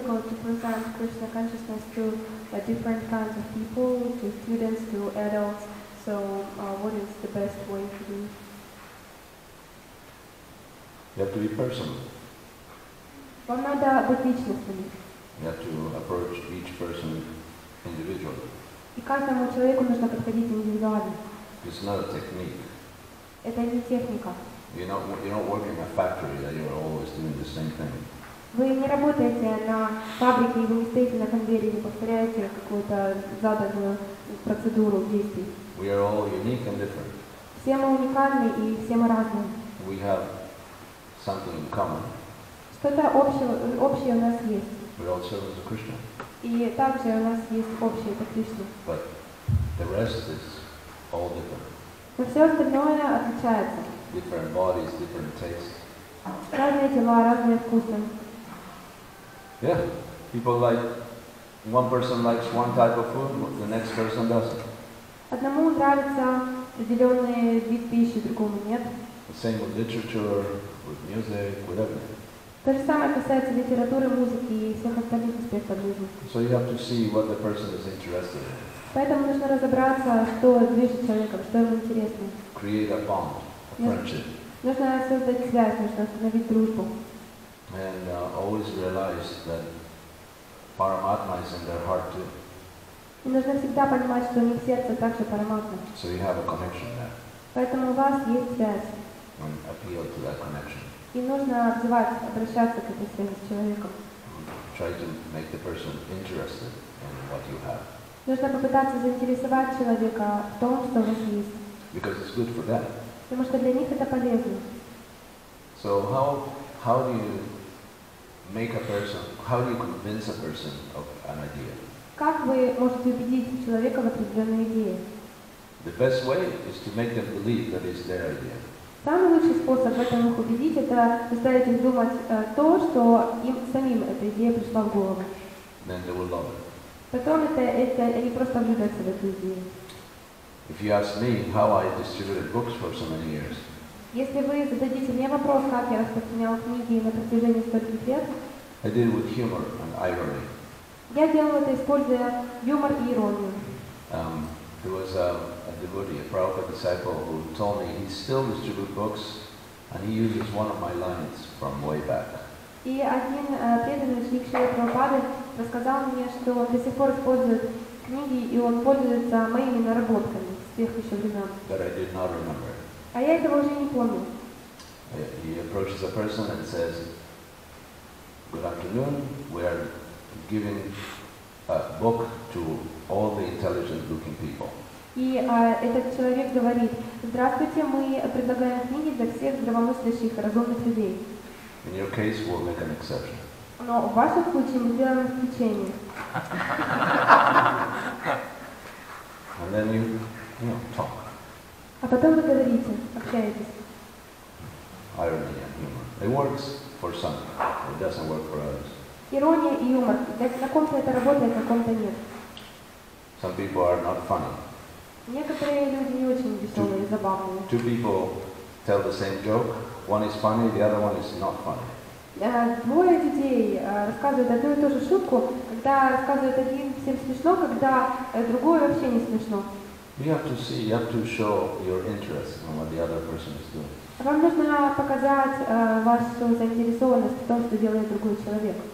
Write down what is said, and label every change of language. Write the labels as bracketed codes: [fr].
[en] Different kinds of people, to students, to adults. So, what is the best way to do? You have to be personal. [ru] Вам надо быть личностными. [en] You have to approach each person individually. [ru] И каждому человеку нужно подходить индивидуально. [en] It's not a technique. [ru] Это не техника. [en] You're not working in a factory that you're always doing the same thing. [ru] Вы не работаете на фабрике, и вы не стоите на конвейере, не повторяете какую-то заданную процедуру действий. [en] We are all unique and different. [ru] Все мы уникальны, и все мы разные. [en] We have something in common. [ru] Что-то общее у нас есть. [en] We all serve as a Krishna. [ru] И также у нас есть общее, это Кришна. [en] But the rest is all different. [ru] Но все остальное отличается. [en] Different bodies, different tastes. [ru] Разные тела, разные вкусы. [en] Yeah, people like, one person likes one type of food, the next person doesn't. [ru] Одному нравится определенный вид пищи, другому нет. [en] The same with literature, with music, whatever. [ru] То же самое касается литературы, музыки и всех остальных аспектов жизни. [en] So you have to see what the person is interested in. [ru] Поэтому нужно разобраться, что движет человеком, что ему интересно. [en] Create a bond, a friendship. [ru] Нужно создать связь, нужно установить дружбу. [en] And always realize that Paramatma is in their heart too. [ru] И нужно всегда понимать, что у них сердце также Параматма. [en] So you have a connection there. [ru] Поэтому у вас есть связь. [en] And appeal to that connection. [ru] И нужно обращаться к этой связи с человеком. [en] try to make the person interested in what you have. [ru] Нужно попытаться заинтересовать человека в том, что у вас есть. [en] Because it's good for them. [ru] Потому что для них это полезно. [en] So how do you make a person, how do you convince a person of an idea? [ru] Как вы можете убедить человека в определенной идее? [en] The best way is to make them believe that it's their idea. [ru] Самый лучший способ этому убедить, это заставить их думать то, что им самим эта идея пришла в голову. [en] Then they will love it. [ru] Потом это они просто влюбятся в эту идею. [en] If you ask me how I distributed books for so many years. [ru] Если вы зададите мне вопрос, как я распространял книги на протяжении стольких лет, [en] I did it with humor and irony. [ru] Я делал это, используя юмор и иронию. [en] There was a devotee, a Prabhupada disciple, who told me he still distributes books and he uses one of my lines from way back. [ru] И один преданный ученик Шрилы Прабхупады рассказал мне, что он до сих пор использует книги, и он пользуется моими наработками с тех еще времен. [en] But I did not remember. [ru] А я этого уже не помню. [en] He approaches a person and says, good afternoon, we are giving a book to all the intelligent looking people. [ru] И этот человек говорит, здравствуйте, мы предлагаем книги для всех здравомыслящих, разумных людей. [en] In your case, we'll make an exception. [ru] Но в вашем случае мы сделаем исключение. [en] And then you talk. [ru] А потом вы говорите, общаетесь. [en] Irony and humor. It works for some. It doesn't work for others. [ru] Ирония и юмор. На ком-то это работает, на ком-то нет. [en] Some people are not funny. [ru] Некоторые люди не очень веселые и забавные. [en] Two people tell the same joke. One is funny, the other one is not funny. [ru] Двое детей рассказывают одну и ту же шутку, когда рассказывает один всем смешно, когда другой вообще не смешно. [en] You have to see, you have to show your interest in what the other person is doing. [ru] Вам нужно показать вашу заинтересованность в том, что делает другой человек.